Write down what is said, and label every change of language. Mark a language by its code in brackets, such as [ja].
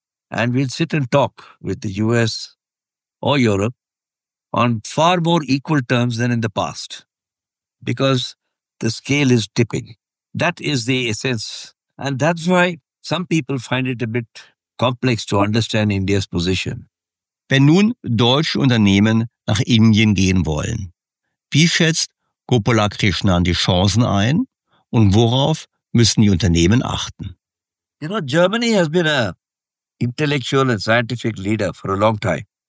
[en] And we'll sit and talk with the US or Europe on far more equal terms than in the past, because the scale is tipping. That is the essence. And that's why some people find it a bit complex to understand India's position. [de] Wenn nun deutsche Unternehmen nach Indien gehen wollen, wie schätzt Gopalakrishnan die Chancen ein und worauf müssen die Unternehmen achten? [en] You know, Germany has been a intellectual and scientific leader for a long time.